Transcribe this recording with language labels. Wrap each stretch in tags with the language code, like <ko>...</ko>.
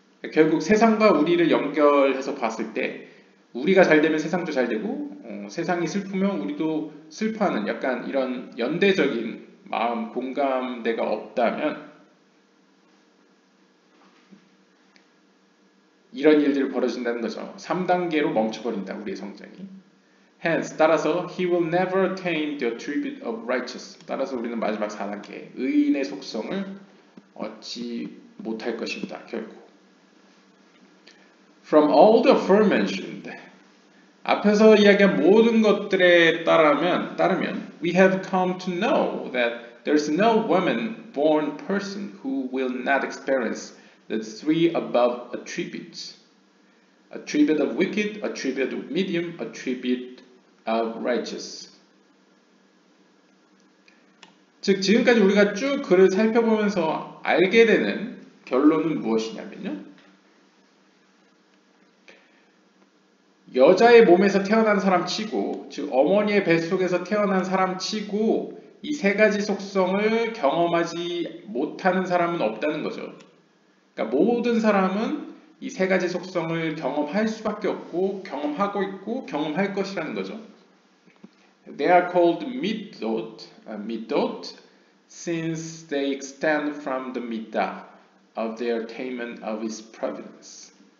<ko>결국 세상과 우리를 연결해서 봤을 때 우리가 잘 되면 세상도 잘 되고 세상이 슬프면 우리도 슬퍼하는 약간 이런 연대적인 마음 공감대가 없다면 이런 일들이 벌어진다는 거죠. 3단계로 멈춰버린다 우리의 성장이.</ko> <en>Hence,</en> <ko>따라서</ko> <en>He will never attain the attribute of righteousness.</en> <ko>따라서 우리는 마지막 4단계 의인의 속성을 얻지 못할 것입니다. 결국.</ko> <en>From all the aforementioned,</en> <ko>앞에서 이야기한 모든 것들에 따르면</ko> <en>We have come to know that there is no woman born person who will not experience the three above attributes. Attribute of wicked, attribute of medium, attribute of righteous.</en> <ko>즉 지금까지 우리가 쭉 글을 살펴보면서 알게 되는 결론은 무엇이냐면요. 여자의 몸에서 태어난 사람 치고 즉 어머니의 뱃속에서 태어난 사람 치고 이 세 가지 속성을 경험하지 못하는 사람은 없다는 거죠. 그러니까 모든 사람은 이 세 가지 속성을 경험할 수밖에 없고 경험하고 있고 경험할 것이라는 거죠.</ko> <en>They are called middot since they extend from the middah of the attainment of his providence.</en>